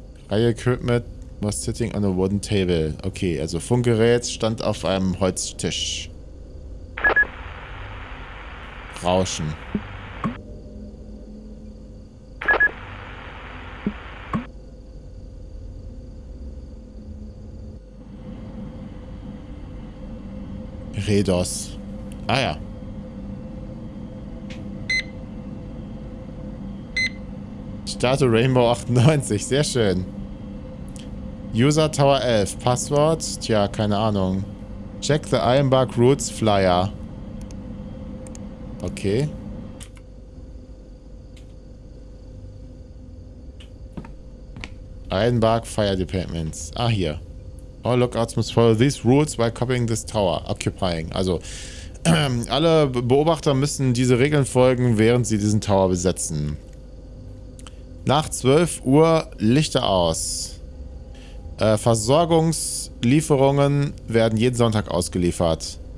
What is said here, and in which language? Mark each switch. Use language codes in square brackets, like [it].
[en] Radio equipment was sitting on a wooden table. [de] Okay, also Funkgerät stand auf einem Holztisch. Rauschen. Redos. Ah ja. Starte Rainbow 98. Sehr schön. User Tower 11. Passwort? Tja, keine Ahnung. [en] Check the Ironbark Roots Flyer. Okay. Ironbark Fire Departments. Ah, hier. All lookouts must follow these rules while copying this tower. Occupying. [de] Also, alle Beobachter müssen diese Regeln folgen, während sie diesen Tower besetzen. Nach 12 Uhr Lichter aus. Versorgungslieferungen werden jeden Sonntag ausgeliefert.